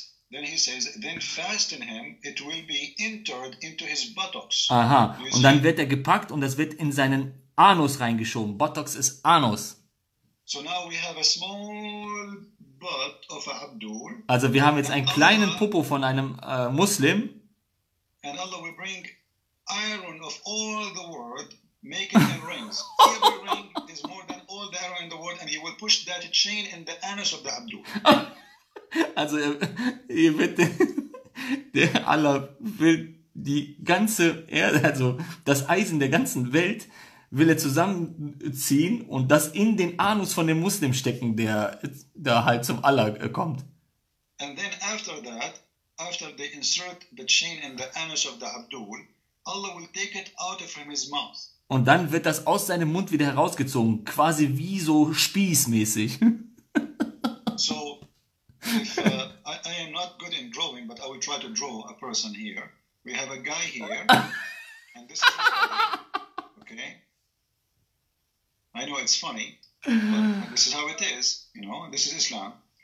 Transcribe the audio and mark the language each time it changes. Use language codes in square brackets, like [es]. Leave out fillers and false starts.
[en] Then he says, then fasten him, it will be entered into his buttocks. [de] Aha, und dann wird er gepackt und das wird in seinen Anus reingeschoben. Buttocks ist Anus. [en] So now we have a small butt of Abdul. [de] Also wir haben jetzt einen kleinen Popo von einem Muslim. [en] And Allah will bring iron of all the world, making them rings. Every ring is more than all the iron in the world, and he will push that chain in the anus of the Abdul. [de] Also ihr wisst, der Allah will die ganze Erde, also das Eisen der ganzen Welt, will er zusammenziehen und das in den Anus von dem Muslim stecken, der da halt zum Allah kommt. [en] And then after that, after they insert the chain in the anus of the Abdul, Allah will take it out of his mouth. [de] Und dann wird das aus seinem Mund wieder herausgezogen, quasi wie so spießmäßig. [en] So, I am not good in drawing, but I will try to draw a person here. We have a guy here, and this is a guy, okay? I know it's funny, but this is how it is, you know, this is Islam.